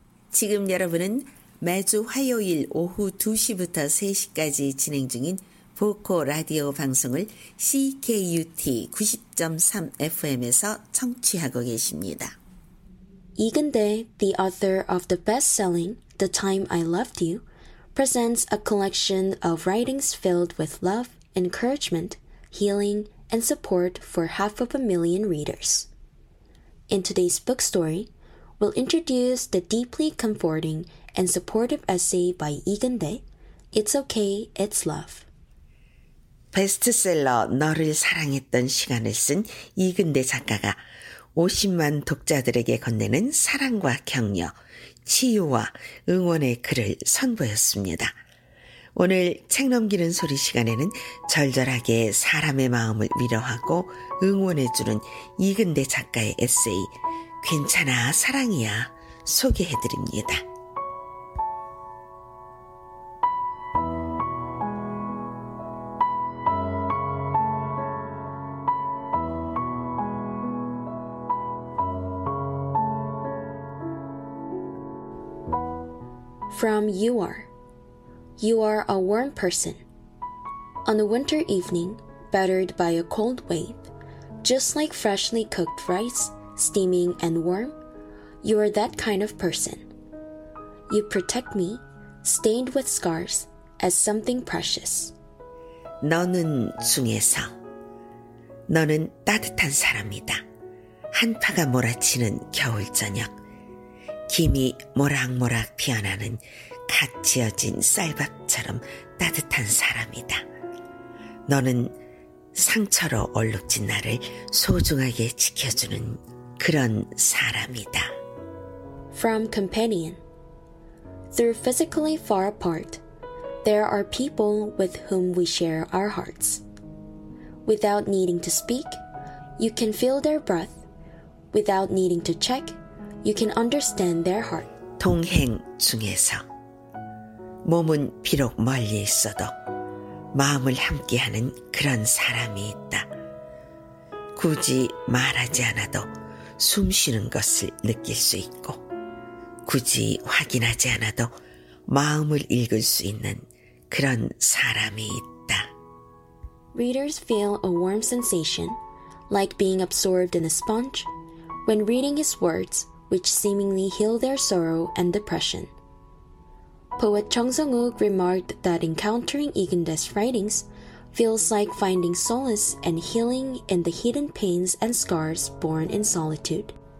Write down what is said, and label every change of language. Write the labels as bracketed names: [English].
[Korean] 지금 여러분은 매주 화요일 오후 2시부터 3시까지 진행 중인 보코 라디오 방송을 CKUT 90.3 FM에서 청취하고 계십니다. [English] 이근대, the author of the best-selling The Time I Loved You, presents a collection of writings filled with love, encouragement, healing, and support for 500,000 readers. In today's book story, we'll introduce the deeply comforting and supportive essay by 이근대, It's Okay, It's Love. [Korean] 베스트셀러 너를 사랑했던 시간을 쓴 이근대 작가가 50만 독자들에게 건네는 사랑과 격려, 치유와 응원의 글을 선보였습니다. 오늘 책 넘기는 소리 시간에는 절절하게 사람의 마음을 위로하고 응원해주는 이근대 작가의 에세이 괜찮아 사랑이야 소개해드립니다. [English] From You Are. You are a warm person. On a winter evening, battered by a cold wave, just like freshly cooked rice, steaming and warm, you are that kind of person. You protect me, stained with scars, as something precious. [Korean] 너는 중에서 너는 따뜻한 사람이다. 한파가 몰아치는 겨울 저녁 김이 모락모락 피어나는 갓 지어진 쌀밥처럼 따뜻한 사람이다. 너는 상처로 얼룩진 나를 소중하게 지켜주는 그런 사람이다. [English] From Companion. Through physically far apart, there are people with whom we share our hearts. Without needing to speak, you can feel their breath. Without needing to check, you can understand their heart. [Korean] 동행 중에서 몸은 비록 멀리 있어도 마음을 함께하는 그런 사람이 있다. 굳이 말하지 않아도 숨쉬는 것을 느낄 수 있고 굳이 확인하지 않아도 마음을 읽을 수 있는 그런 사람이 있다. [English] Readers feel a warm sensation like being absorbed in a sponge when reading his words which seemingly heal their sorrow and depression. Poet Chung Sung-wook remarked that encountering 이근대's writings feels like finding solace and healing in the hidden pains and scars born in solitude.